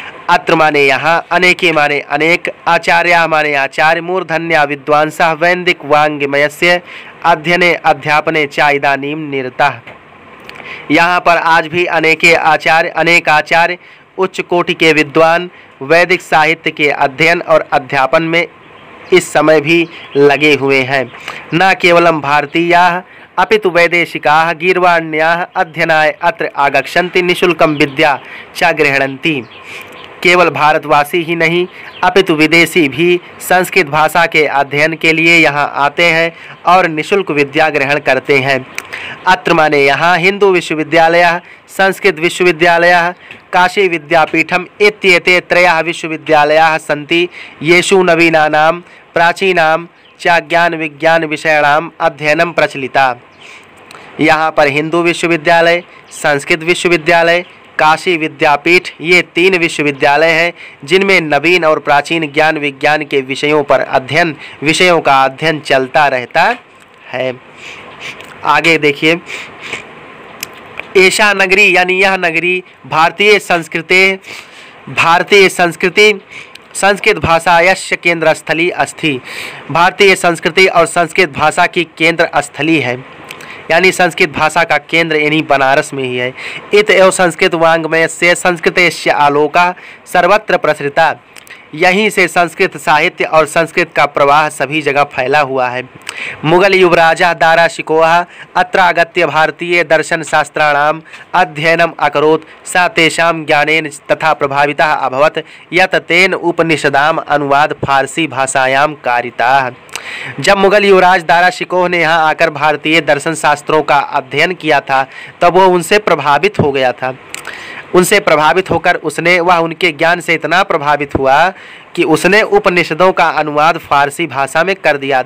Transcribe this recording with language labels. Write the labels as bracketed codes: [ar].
[sa] अत्र [hi] माने यहाँ, [sa] अनेके [hi] माने अनेक, [sa] आचार्या [hi] माने आचार्य, [sa] मूर्धन्या विद्वांसः वैदिक वाङ्मयस्य अध्ययने अध्यापने च इदानीं निरतः। [hi] यहाँ पर आज भी अनेके आचार्य, अनेक आचार्य, उच्च कोटि के विद्वान वैदिक साहित्य के अध्ययन और अध्यापन में इस समय भी लगे हुए हैं। [sa] न केवलं भारतीयाः अपितु वैदेशिकाः गीर्वाण्याः अध्ययनाय अत्र आगच्छन्ति निःशुल्कं विद्या च गृह्णन्ति। [hi] केवल भारतवासी ही नहीं अपितु विदेशी भी संस्कृत भाषा के अध्ययन के लिए यहाँ आते हैं और निःशुल्क विद्या ग्रहण करते हैं। [sa] अत्र [hi] माने यहाँ [sa] हिंदू विश्वविद्यालयः, संस्कृत विश्वविद्यालयः, काशी विद्यापीठम इत्येते त्रयः विश्वविद्यालयः सन्ति येषु नवीनानां प्राचीनां च ज्ञान विज्ञान विषयाणाम् अध्ययनं प्रचलिता। [hi] यहाँ पर हिंदू विश्वविद्यालय, संस्कृत विश्वविद्यालय, काशी विद्यापीठ, ये तीन विश्वविद्यालय हैं जिनमें नवीन और प्राचीन ज्ञान विज्ञान के विषयों पर अध्ययन, विषयों का अध्ययन चलता रहता है। आगे देखिए, [sa] एषा नगरी [hi] यानी यह नगरी [sa] भारतीय संस्कृते, भारतीय संस्कृति संस्कृत भाषायाः केन्द्रस्थली अस्ति। [hi] भारतीय संस्कृति और संस्कृत भाषा की केंद्र स्थली है, यानी संस्कृत भाषा का केंद्र इन्हीं बनारस में ही है। [sa] इत एव संस्कृत वाङ्मयस्य संस्कृतेस्य आलोकः सर्वत्र प्रसृता। [hi] यहीं से संस्कृत साहित्य और संस्कृत का प्रवाह सभी जगह फैला हुआ है। [sa] मुगल युवराजः दारा शिकोः अत्रागत्य भारतीय दर्शन शास्त्राणाम् अध्ययनम् अकरोत् सा तेषां ज्ञानेन तथा प्रभावितः अभवत् यत् तेन उपनिषदाम् अनुवाद फारसी भाषायां कारितः। [hi] जब मुगल युवराज दारा शिकोह ने यहाँ आकर भारतीय दर्शन शास्त्रों का अध्ययन किया था तब वो उनसे प्रभावित हो गया था। उनसे प्रभावित होकर उसने, वह उनके ज्ञान से इतना प्रभावित हुआ कि उसने उपनिषदों का अनुवाद फारसी भाषा में कर दिया।